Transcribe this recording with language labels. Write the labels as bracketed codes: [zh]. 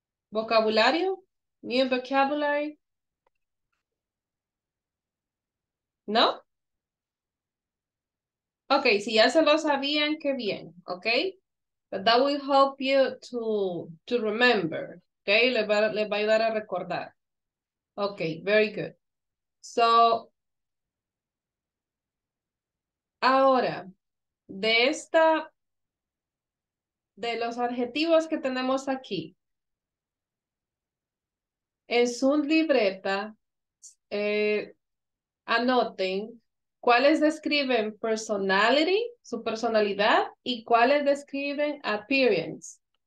[en] ¿Vocabulario? ¿New vocabulary? [es] ¿No? Okay, si ya se lo sabían, qué bien, okay? [en] But that will help you to remember, okay? [es] Le va a ayudar a recordar. [en] Okay, very good. [es] So, ahora, de los adjetivos que tenemos aquí, en su libreta, anoten cuáles describen personality, su personalidad, y cuáles describen appearance.